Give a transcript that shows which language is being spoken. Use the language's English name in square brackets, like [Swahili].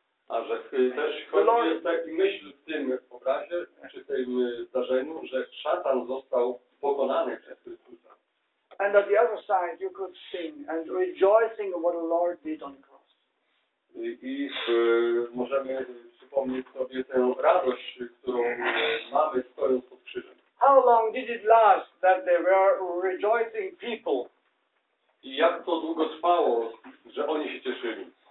[Polish] A że też chodzi o taki myśl w tym obrazie, czy tym zdarzeniu, że szatan został pokonany przez Chrystusa. [English] And on the other side you could sing and rejoicing of what the Lord did on the cross. [Polish] I możemy przypomnieć sobie tę radość, którą mamy stojąc pod krzyżem. [English] How long did it last that they were rejoicing people? [Polish] I jak to długo trwało, że oni się cieszyli?